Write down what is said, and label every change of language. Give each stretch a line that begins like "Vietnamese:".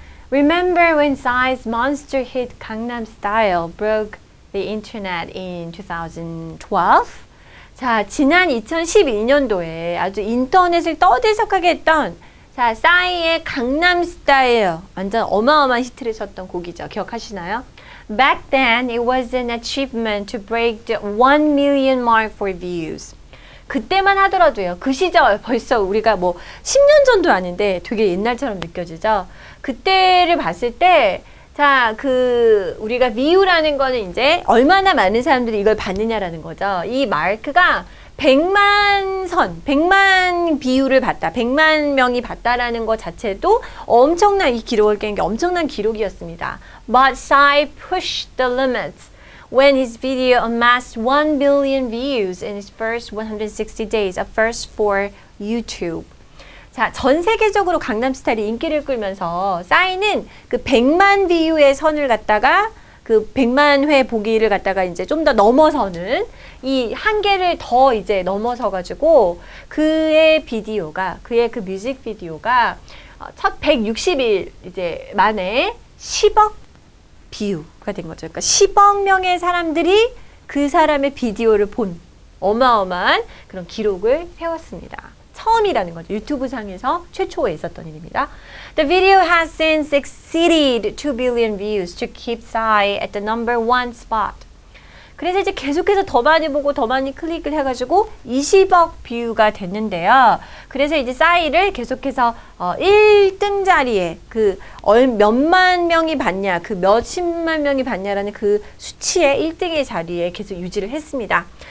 English: Remember when size monster hit Gangnam Style broke the internet in 2012?
Korean: 자, 지난 2012년도에 아주 인터넷을 떠들썩하게 했던 자, 싸이의 강남 스타일. 완전 어마어마한 히트를 쳤던 곡이죠. 기억하시나요?
English: Back then, it was an achievement to break the 1 million mark for views.
Korean: 그때만 하더라도요. 그 시절 벌써 우리가 뭐 10년 전도 아닌데 되게 옛날처럼 느껴지죠. 그때를 봤을 때 자, 그 우리가 view라는 거는 이제 얼마나 많은 사람들이 이걸 봤느냐라는 거죠. 이 마크가 100만 선, 100만 비율을 봤다, 100만 명이 봤다라는 것 자체도 엄청난 이 기록을 깬 게 엄청난 기록이었습니다.
English: But Psy pushed the limits when his video amassed 1 billion views in his first 160 days, a first for YouTube.
Korean: 자, 전 세계적으로 강남스타일이 인기를 끌면서 싸이는 그 100만 비율의 선을 갖다가 그 100만 회 보기를 갖다가 이제 좀 더 넘어서는 이 한계를 더 이제 넘어서가지고 그의 비디오가 그의 그 뮤직비디오가 첫 160일 이제 만에 10억 뷰가 된 거죠. 그러니까 10억 명의 사람들이 그 사람의 비디오를 본 어마어마한 그런 기록을 세웠습니다. 처음이라는 거죠. 유튜브 상에서 최초에 있었던 일입니다.
English: The video has since exceeded 2 billion views to keep Psy at the number one spot.
Korean: 그래서 이제 계속해서 더 많이 보고 더 많이 클릭을 해가지고 20억 뷰가 됐는데요. 그래서 이제 싸이를 계속해서 1등 자리에 그 몇만 명이 봤냐, 그 몇십만 명이 봤냐라는 그 수치의 1등의 자리에 계속 유지를 했습니다.